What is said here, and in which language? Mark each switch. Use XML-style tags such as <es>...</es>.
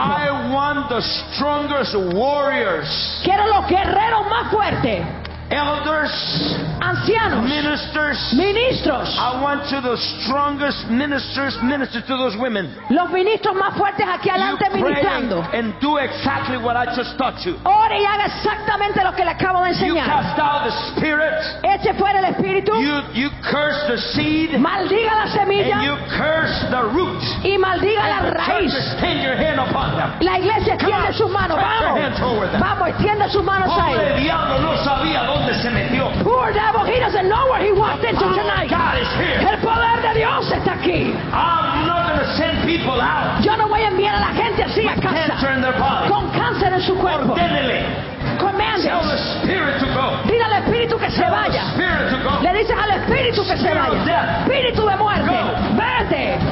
<en>I want the strongest warriors.</en> <es>Quiero los guerreros más fuertes.</es> <en>Elders,</en> <es>ancianos,</es> <en>ministers,</en> <es>ministros.</es> <en>I want to the strongest ministers minister to those women.</en> <es>Los ministros más fuertes aquí adelante ministrando.</es> <en>And do exactly what I just taught you.</en> <es>Ore y haga exactamente lo que le acabo de enseñar.</es> <en>You cast out the spirit.</en> <es>Eche fuera el espíritu.</es> <en>You curse the seed.</en> <es>Maldiga la semilla.</es> <en>And you curse the root.</en> <es>Y maldiga</es> <en>and the</en> <es>raíz.</es> <en>Churches, extend your hand upon them.</en> <es>La iglesia extiende sus manos. Vamos. Vamos, extiende sus manos ahí. Pobre diablo, no sabía.</es> <en>Poor devil, he doesn't know where he walked into tonight. God is here.</en> <es>El poder de Dios está aquí.</es> <en>I'm not going to send people out.</en> <es>Yo no voy a enviar a la gente así a casa.</es> <en>With cancer in their body.</en> <es>Con cáncer en su cuerpo. Ordenele. Commandes.</es> <en>Tell the spirit to go.</en> <es>Dile al espíritu que se vaya.</es> <en>Tell the spirit to go.</en> <es>Le dices al espíritu que se vaya. Espíritu de muerte.</es> <en>Go.</en> <es>Vete.</es>